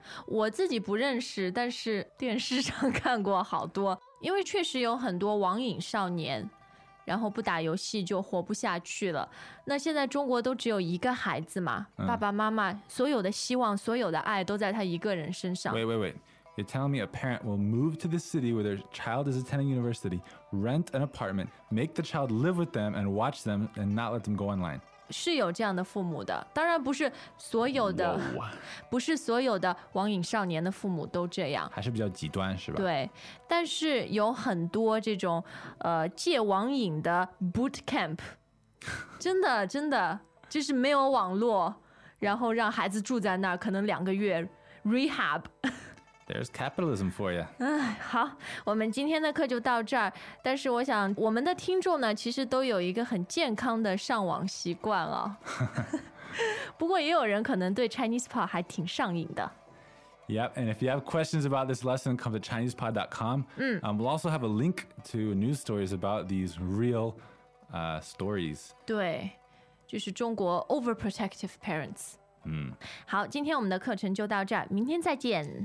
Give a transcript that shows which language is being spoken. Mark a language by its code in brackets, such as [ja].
[zh] 我自己不认识，但是电视上看过好多，因为确实有很多网瘾少年，然后不打游戏就活不下去了。那现在中国都只有一个孩子嘛，爸爸妈妈所有的希望所有的爱都在他一个人身上。 [en] Wait, you're telling me a parent will move to the city where their child is attending university, rent an apartment, make the child live with them and watch them and not let them go online? [zh] 是有这样的父母的，当然不是所有的、 [en] Whoa. [zh] 不是所有的网瘾少年的父母都这样，还是比较极端是吧？对，但是有很多这种戒网瘾的 bootcamp， 真的就是没有网络，然后让孩子住在那儿可能两个月 rehab。 [en] There's capitalism for you. [zh] 好，我们今天的课就到这儿。但是我想我们的听众呢，其实都有一个很健康的上网习惯了。不过也有人可能对 ChinesePod 还挺上瘾的。 [en] Yep, and if you have questions about this lesson, come to ChinesePod.com. We'll also have a link to news stories about these real stories. [zh] 对，就是中国 [en] overprotective parents。 [zh] 好，今天我们的课程就到这儿，明天再见。